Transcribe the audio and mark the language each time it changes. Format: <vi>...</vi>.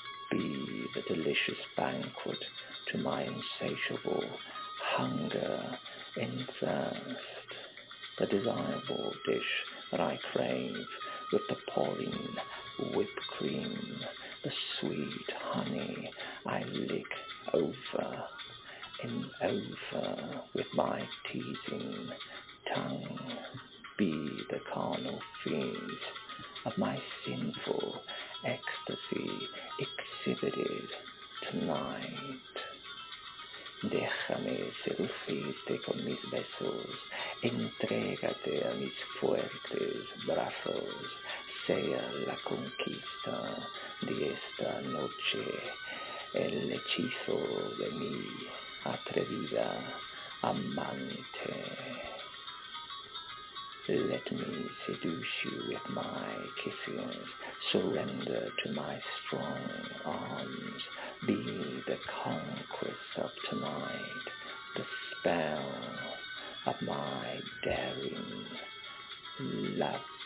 <en>Be the delicious banquet to my insatiable hunger and thirst, the desirable dish that I crave with the pouring whipped cream, the sweet honey I lick over and over with my teasing tongue. Be the carnal fiend of my sinful ecstasy exhibited tonight.</en> <es>Déjame seducirte con mis besos, entrégate a mis fuertes brazos, sea la conquista de esta noche el hechizo de mi atrevida amante.</es> <en>Let me seduce you with my kisses, surrender to my strong arms, be the conquest of tonight, the spell of my daring love.</en>